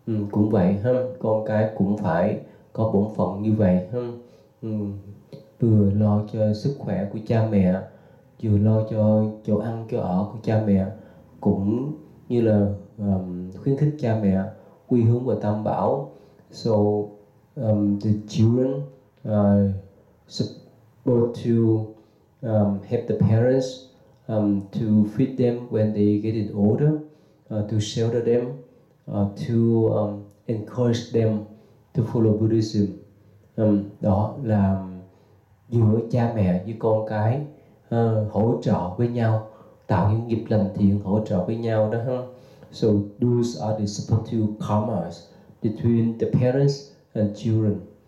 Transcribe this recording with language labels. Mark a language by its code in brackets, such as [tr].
[vi] Cũng vậy ha, con cái cũng phải có bổn phận như vậy ha. Vừa lo cho sức khỏe của cha mẹ, vừa lo cho chỗ ăn chỗ ở của cha mẹ, cũng như là khuyến khích cha mẹ quy hướng và tam bảo. [en] So the children supposed to help the parents to feed them when they get it older, to shelter them, to encourage them to follow Buddhism. [vi] Đó là giữa cha mẹ với con cái hỗ trợ với nhau, tạo những nghiệp lành thiện hỗ trợ với nhau đó ha. [en] So those are the supposed to commerce between the parents and children.